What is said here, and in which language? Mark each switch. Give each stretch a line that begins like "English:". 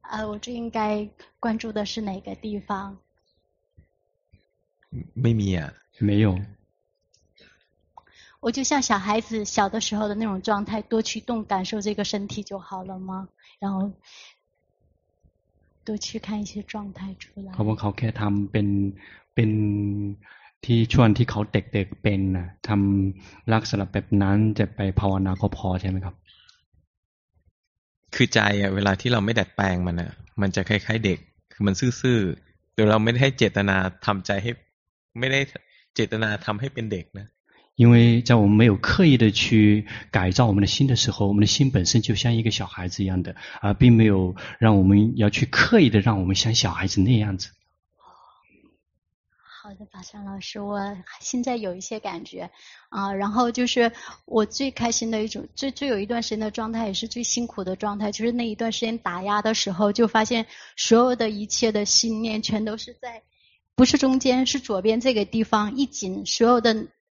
Chinese: 我这应该关注的是哪个地方
Thai: ไม่มีอ่ะ
Chinese: 没有我就像小孩子小的时候的那种状态多去动感受这个身体就好了吗然后多去看一些状态出来
Thai: เขาบอกเขาแค่ทำเป็นที่ช่วงที่เขาเด็กๆเป็นนะทำลักษณะแบบนั้นจะไปภาวนาก็พอใช่ไหมครับ คือใจอ่ะเวลาที่เราไม่ดัดแปลงมันอ่ะมันจะคล้ายๆเด็กคือมันซื่อๆโดยเราไม่ได้เจตนาทำใจให้ไม่ได้เจตนาทำให้เป็นเด็กนะ
Chinese: 因为在我们没有刻意的去改造我们的心的时候，我们的心本身就像一个小孩子一样的，而并没有让我们要去刻意的让我们像小孩子那样子。好的，法善老师，我现在有一些感觉啊，然后就是我最开心的一种，最有一段时间的状态，也是最辛苦的状态，就是那一段时间打压的时候，就发现所有的一切的心念全都是在，不是中间，是左边这个地方一紧，所有的。